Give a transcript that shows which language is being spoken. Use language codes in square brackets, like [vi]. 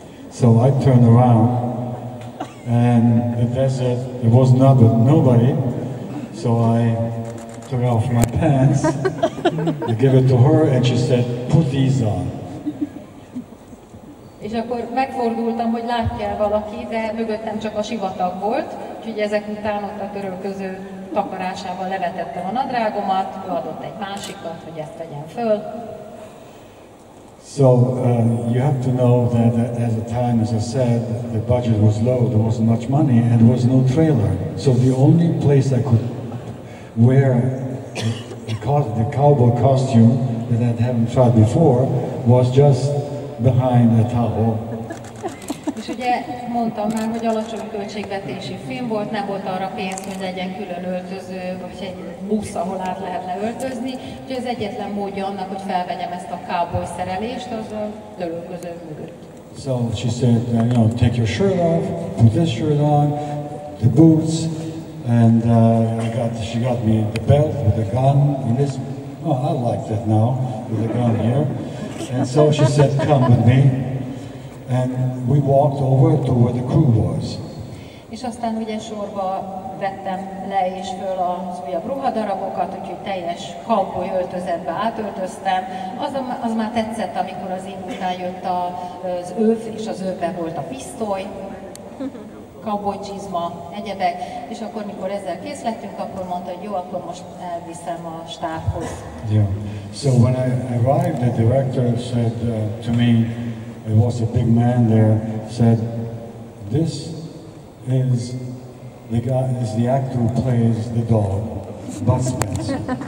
[en] So I turned around, and the desert, it was not with nobody, so I took off my pants, I gave it to her, and she said, put these on. [hu] És akkor megfordultam, hogy látja valaki, de mögöttem csak a sivatag volt, úgyhogy ezek után ott a törölköző takarásával levetettem a nadrágomat, adott egy másikat, hogy ezt tegyem föl. [en] So you have to know that at the time, as I said, the budget was low, there wasn't much money, and there was no trailer. So the only place I could wear the cowboy costume that I hadn't tried before was just behind a towel. [hu] És ugye mondtam már, hogy alacsony költségvetési film volt, nem volt arra pénz, hogy legyen külön öltöző, vagy egy busz, ahol át lehet leöltözni. Úgyhogy az egyetlen módja annak, hogy felvegyem ezt a cowboy szerelést, az a törölköző mögött. [en] So she said, you know, take your shirt off, put this shirt on, the boots, and she got me the belt with the gun, and this, oh, I like that now, with the gun here. And so she said, come with me. And we walked over to where the crew was. [hu] És aztán ugye sorba vettem le és föl az újabb ruhadarabokat, úgyhogy teljes cowboy öltözetbe átöltöztem. Az már tetszett, amikor az én után jött az öv, és az övben volt a pisztoly, cowboy csizma, egyebek. És akkor, mikor ezzel kész lettünk, akkor mondta, hogy jó, akkor most elviszem a stábhoz. Yeah. [en] So when I arrived, the director said to me, it was a big man there, said, this is the guy, is the actor who plays the dog, Bud Spencer.